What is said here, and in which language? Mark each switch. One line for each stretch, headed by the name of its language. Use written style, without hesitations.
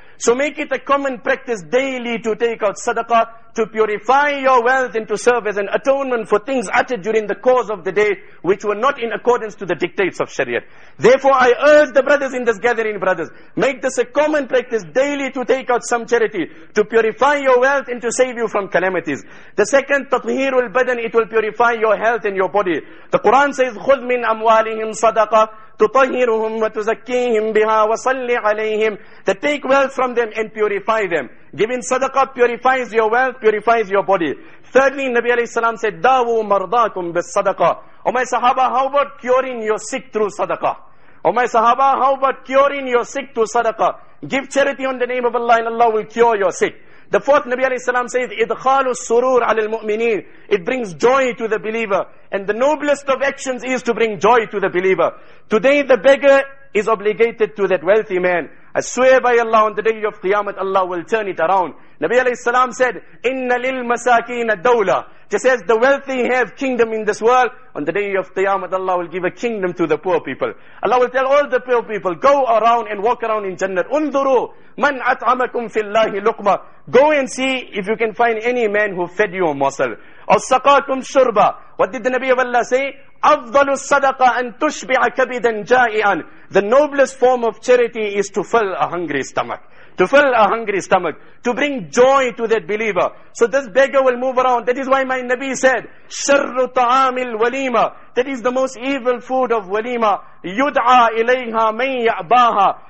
English: So make it a common practice daily to take out sadaqah, to purify your wealth and to serve as an atonement for things uttered during the course of the day which were not in accordance to the dictates of Shariat. Therefore, I urge the brothers in this gathering, brothers, make this a common practice daily to take out some charity, to purify your wealth and to save you from calamities. The second, tathheerul badan, it will purify your health and your body. The Quran says,
Arabic: خُذْ مِنْ أَمْوَالِهِمْ صَدَقَةً تُطَهِّرُهُمْ وَتُزَكِّيهِمْ بِهَا وَصَلِّ عَلَيْهِمْ.
English: That take wealth from them and purify them. Giving sadaqah purifies your wealth, purifies your body. Thirdly, Nabi alayhi salam said,
Arabic: دَاوُوا مَرْضَاكُمْ بِالصَّدَقَةِ.
English: Oh my sahaba, how about curing your sick through sadaqah? Oh my sahaba, how about curing your sick through sadaqah? Give charity on the name of Allah and Allah will cure your sick. The fourth, Nabi alayhi salam says,
Arabic: إِدْخَالُ السُّرُورِ عَلَى الْمُؤْمِنِينَ.
English: It brings joy to the believer. And the noblest of actions is to bring joy to the believer. Today the beggar is obligated to that wealthy man. I swear by Allah, on the day of Qiyamah, Allah will turn it around. Nabi alayhi salam said,
Arabic: إِنَّ لِلْمَسَاكِينَ الدَّوْلَةَ.
English: Just as the wealthy have kingdom in this world, on the day of Qiyamah, Allah will give a kingdom to the poor people. Allah will tell all the poor people, go around and walk around in Jannah.
Arabic: أُنْذُرُوا مَنْ أَطْعَمَكُمْ فِي اللَّهِ لُقْمَةً.
English: Go and see if you can find any man who fed you a morsel.
Arabic: أَصَّقَاكُمْ شُرْبًا.
English: What did the Nabi of Allah say?
Arabic: أَفْضَلُ الصَّدَقَ أَن تُشْبِعَ كَبِدًا جَائِئًا.
English: The noblest form of charity is to fill a hungry stomach. To fill a hungry stomach. To bring joy to that believer. So this beggar will move around. That is why my Nabi said,
Arabic: شَرُّ طَعَامِ الْوَلِيمَ.
English: That is the most evil food of walima.
Arabic: يُدْعَى إِلَيْهَا مَنْ يَعْبَاهَا.